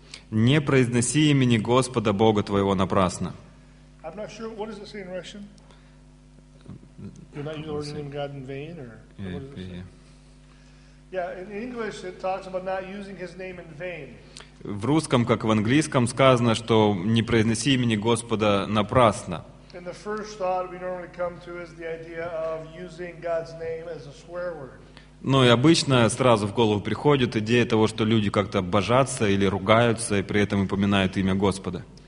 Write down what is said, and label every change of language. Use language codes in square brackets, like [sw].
[ru] Не произноси имени Господа Бога твоего напрасно. [en] I'm not sure. What does it say in Russian? You're not using the Lord's name God in vain, or Yeah, in English it talks about not using His name in vain. [ru] В русском, как в английском, сказано, что не произноси имени Господа напрасно. [en] And the first thought we normally come to is the idea of using God's name as a swear word. [ru] Ну и обычно сразу в голову приходит идея того, что люди как-то божатся или ругаются, и при этом упоминают имя Господа.